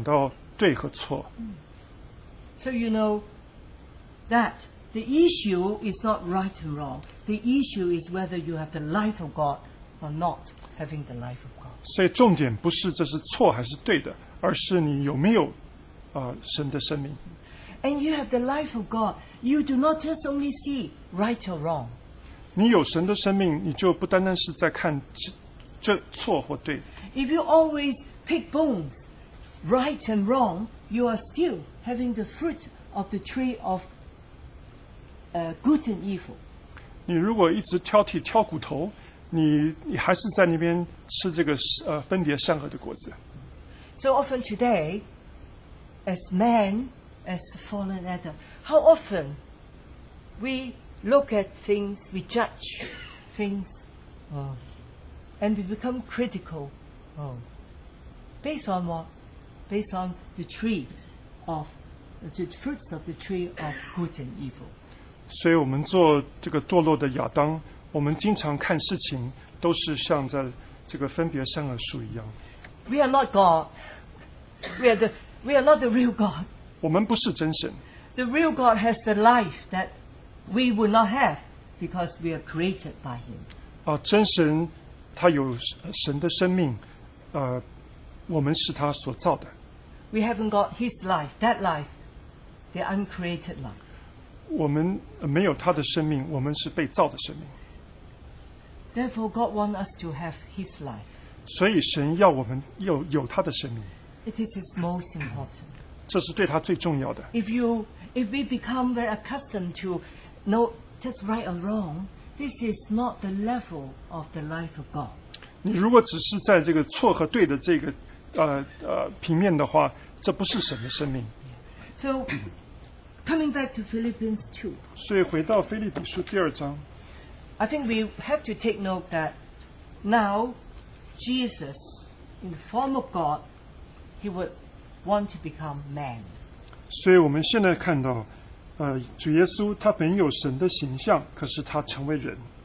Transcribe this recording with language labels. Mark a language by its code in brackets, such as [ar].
[zh] 可是生命树的果子呢，却不是讲到对和错。 [en] So you know that the issue is not right and wrong. The issue is whether you have the life of God or not having the life of God. [zh] 所以重点不是这是错还是对的, 而是你有没有, 神的生命。 [en] And you have the life of God, you do not just only see right or wrong. [zh] 你有神的生命, 你就不单单是在看这错或对。 [en] If you always pick bones, right and wrong, you are still having the fruit of the tree of good and evil. [zh] 你如果一直挑剔挑骨头, 你还是在那边吃这个, 分别善恶的果子。 [en] So often today, as man, as fallen Adam, how often we look at things, we judge things, and we become critical, based on what? Based on the tree of, the fruits of the tree of good and evil. [zh] 所以我们做这个堕落的亚当, 我们经常看事情都是像在这个分别善恶树一样。 [en] We are not God. We are not the real God. [zh] 我们不是真神。 [en] The real God has the life that we would not have because we are created by Him. [zh] 真神他有神的生命, 我们是他所造的。 [en] We haven't got His life, that life, the uncreated life. [zh] 我们没有他的生命, 我们是被造的生命。 [en] Therefore, God wants us to have His life. [zh] 所以神要我们有他的生命。 [en] It is His most important. [zh] 这是对他最重要的。 [en] If we become very accustomed to know just right or wrong, this is not the level of the life of God. [zh] 你如果只是在这个错和对的这个, 平面的话, 这不是神的生命。 [en] So, coming back to Philippians 2. [zh] 所以回到腓立比书第二章。 [en] I think we have to take note that now Jesus, in the form of God, He would want to become man. [zh] 所以我们现在看到, 主耶稣他本有神的形象, 可是他成为人。